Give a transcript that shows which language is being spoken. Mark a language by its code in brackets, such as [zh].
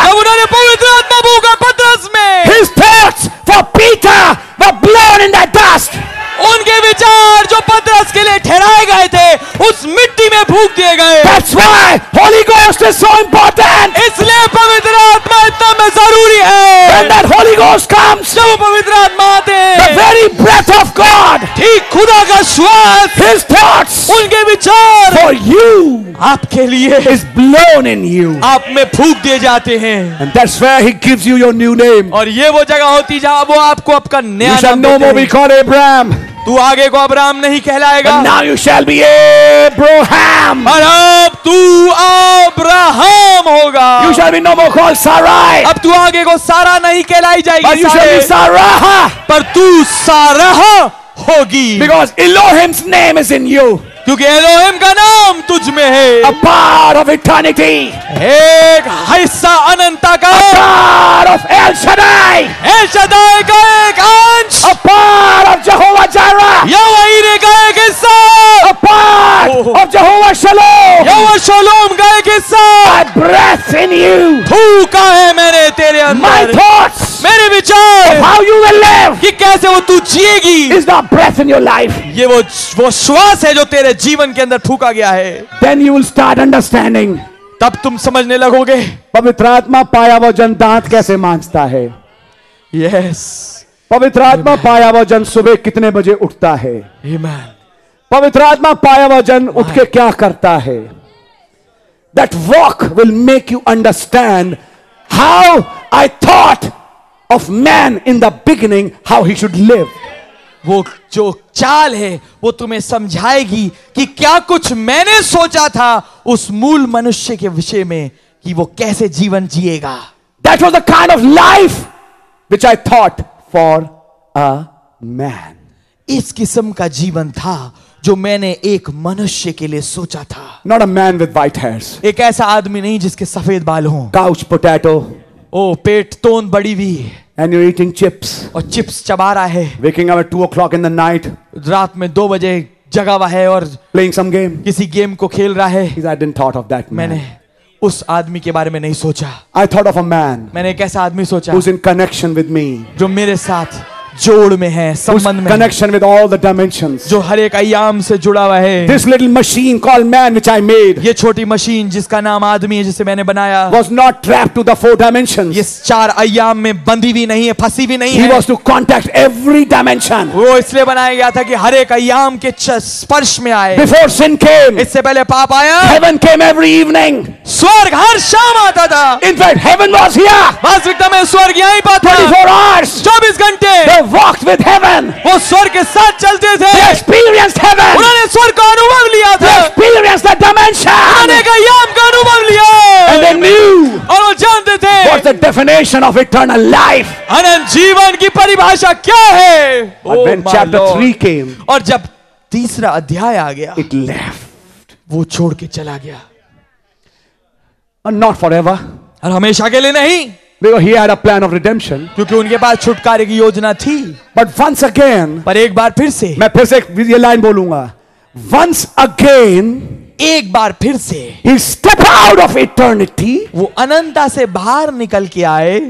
[hi] जब उन्होंने पवित्र आत्मा फूंका पतरस में। [en] His thoughts for Peter were blown in that dust. [hi] उनके विचार जो पतरस के लिए ठहराए गए थे उस मिट्टी में फूंक दिए गए। [en] That's why Holy Ghost is so important. [hi] इसलिए पवित्र आत्मा इतना जरूरी है। [en] When that Holy Ghost comes, [hi] जब पवित्र आत्मा आते हैं, [en] the very breath of God, [hi] ठीक खुदा का श्वास, [en] His thoughts, [hi] उनके विचार, [en] for you, [hi] आपके लिए, [en] is blown in you, [hi] आप में फूंक दिए जाते हैं। [en] And that's where He gives you your new name. [hi] और ये वो जगह होती जहां वो आपको आपका नया नाम देते हैं। [en] You shall no more be called Abraham. [hi] तू आगे को अब्राहम नहीं कहलाएगा। [en] But now you shall be Abraham. [hi] और अब तू अब्राहम होगा। [en] You shall be no more called Sarai. [hi] अब तू आगे को सारा नहीं कहलाई जाएगी। [en] But you shall be Sarah. [hi] पर तू सारा होगी। [en] Because Elohim's name is in you. [hi] क्योंकि Elohim का नाम तुझ में है। [en] A part of eternity. [hi] एक हिस्सा अनंता का। [en] A part of El Shaddai. [hi] El Shaddai का एक अंश। [en] A part of Jehovah Jireh. [hi] यहोवा इरे का एक हिस्सा। [en] A part of Jehovah Shalom. [hi] यहोवा शलोम का एक हिस्सा। [en] My breath in you. [hi] फूंका है मैंने तेरे अंदर। [en] My thoughts. [hi] मेरे विचार। [en] Of how you will live. [hi] कि कैसे वो तू जिएगी। [en] Is the breath in your life. [hi] ये वो श्वास है जो तेरे जीवन के अंदर फूंका गया है। [en] Then you will start understanding. [hi] तब तुम समझने लगोगे पवित्र आत्मा पाया वो जन दांत कैसे मांझता है। [en] Yes. [hi] पवित्र आत्मा पाया वो जन सुबह कितने बजे उठता है। [en] Amen. [hi] पवित्र आत्मा पाया वो जन उठ के क्या करता है। [en] That walk will make you understand how I thought of man in the beginning, how he should live. [hi] वो जो चाल है वो तुम्हें समझाएगी कि क्या कुछ मैंने सोचा था उस मूल मनुष्य के विषय में कि वो कैसे जीवन जिएगा। [en] That was the kind of life which I thought for a man. [hi] इस किस्म का जीवन था जो मैंने एक मनुष्य के लिए सोचा था। [en] Not a man with white hairs. [hi] एक ऐसा आदमी नहीं जिसके सफेद बाल हों। [en] Couch potato. [hi] ओ पेट तोन बड़ी हुई। [en] And you're eating chips. [hi] और चिप्स चबा रहा है। [en] Waking up at 2 o'clock in the night. [hi] रात में 2 बजे जगा हुआ है और [en] playing some game. [hi] किसी गेम को खेल रहा है। [en] I didn't thought of that man. [hi] मैंने उस आदमी के बारे में नहीं सोचा। [en] I thought of a man. [hi] मैंने एक ऐसा आदमी सोचा। [en] Who's in connection with me? [hi] जो मेरे साथ जोड़ में है, संबंध में। [en] Connection with all the dimensions. [hi] जो हर एक आयाम से जुड़ा हुआ है। [en] This little machine called man, which I made. [hi] ये छोटी मशीन जिसका नाम आदमी है, जिसे मैंने बनाया। [en] Was not trapped to the 4 dimensions. [hi] ये चार आयाम में बंधी भी नहीं है, फंसी भी नहीं है। [en] He was to contact every dimension. [hi] वो इसलिए बनाया गया था कि हर एक आयाम के स्पर्श में आए। [en] Before sin came. [hi] इससे पहले पाप आया। [en] Heaven came every evening. [hi] स्वर्ग हर शाम आता था। [en] In fact, heaven was here. [hi] वास्तविकता में स्वर्ग यहीं पर था। [en] 24 hours. [hi] 24 घंटे. [en] Walked with heaven. [hi] वो स्वर्ग के साथ चलते थे। [en] They experienced heaven. [hi] उन्होंने स्वर्ग का अनुभव लिया था। [en] They experienced the dimension. [hi] उन्होंने आयाम का अनुभव लिया। [en] And they knew. [hi] और वो जानते थे। [en] What's the definition of eternal life? [hi] अनंत जीवन की परिभाषा क्या है? [en] But when chapter 3 came. [hi] और जब तीसरा अध्याय आ गया। [en] It left. [hi] वो छोड़ के चला गया। [en] And not forever. [hi] और हमेशा के लिए नहीं। [en] Because he had a plan of redemption. [hi] क्योंकि उनके पास छुटकारे की योजना थी। [en] But once again, [hi] पर एक बार फिर से, मैं फिर से ये लाइन बोलूंगा। [en] Once again, [hi] एक बार फिर से, [en] he stepped out of eternity. [hi] वो अनंता से बाहर निकल के आए।